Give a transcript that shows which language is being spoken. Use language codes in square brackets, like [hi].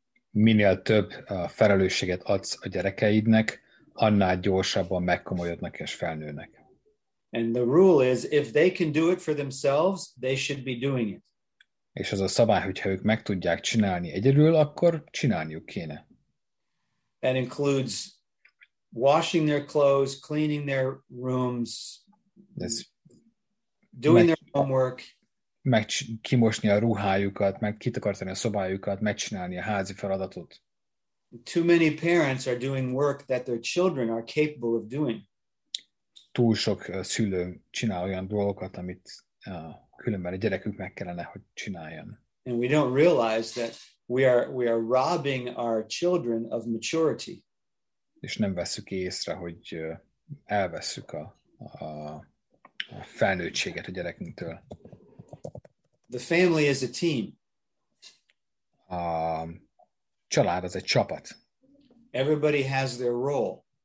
[hu] Minél több felelősséget adsz a gyerekeidnek, annál gyorsabban megkomolyodnak és felnőnek. [en] And the rule is, if they can do it for themselves, they should be doing it. [hu] És az a szabály, hogyha ők meg tudják csinálni egyedül, akkor csinálniuk kéne. [en] That includes washing their clothes, cleaning their rooms, doing their homework. [hu] Meg kimosni a ruhájukat, meg kitakartani a szobájukat, megcsinálni a házi feladatot. [en] Too many parents are doing work that their children are capable of doing. [hu] Túl sok szülő csinál olyan dolgokat, amit különben a gyerekük meg kellene, hogy csináljon. [en] And we don't realize that we are robbing our children of maturity. [hu] És nem vesszük észre, hogy elvesszük a felnőttséget a gyerekünktől. [en] The family is a team. [hu] A család az egy csapat. [en] Everybody has their role.